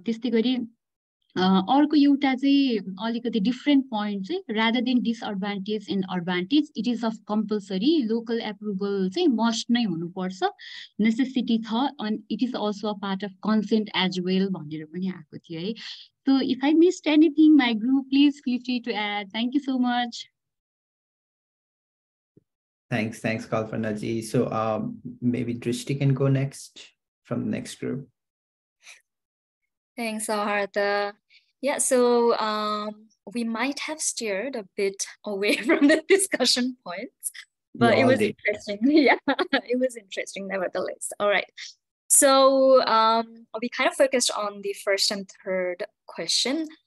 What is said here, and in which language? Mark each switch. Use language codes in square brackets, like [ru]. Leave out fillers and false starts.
[ne] Tyestai gari अर्को एउटा चाहिँ अलिकति [en] different point [ne] चाहिँ [en] rather than disadvantage in advantage it is of compulsory local approval [ne] चाहिँ मस्ट नै हुनुपर्छ नेसेसिटी छ [en] and it is also a part of consent as well [ne] भनेर पनि आएको थियो है. [en] So if I missed anything my group please feel free to add. Thank you so much. Thanks Kalpanaji. So maybe Drishti can go next from next group. Thanks, Saharata. Yeah, so we might have steered a bit away from the discussion points, but it was interesting. Yeah, it was interesting nevertheless. All right. So we kind of focused on the first and third question.